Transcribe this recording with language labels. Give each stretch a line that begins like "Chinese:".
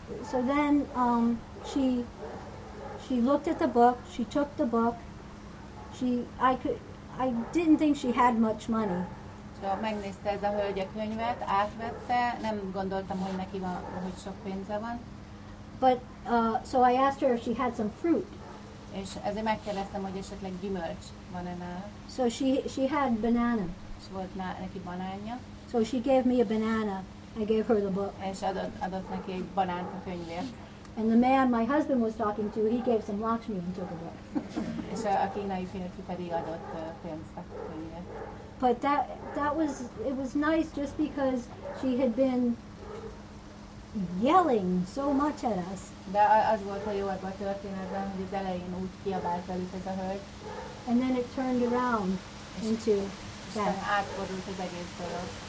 English: So then she looked at the book, she took the book, I didn't think she had much money.
Hungarian: So megnézte ez a hölgy a könyvet, átvette, nem gondoltam, hogy neki van, hogy sok pénze van.
English: But so I asked her if she had some fruit.
Hungarian: És ezért megkérdeztem, hogy esetleg gyümölcs van-e nála.
English: So she had banana.
Hungarian: És volt neki banánja.
English: So she gave me a banana. I gave her the book.
Hungarian: És adott neki egy banánt a könyvért.
English: And the man my husband was talking to, he gave some Lakshmi and took a book.
Hungarian: És a kínai férfi pedig adott pénzt a könyvért.
English: But it was nice just because she had been yelling so much at us.
Hungarian: De az volt a jó ebben a történetben, hogy az elején úgy kiabált velük ez a hölgy.
English: And then it turned around into that.
Hungarian: És átfordult az egész dolog.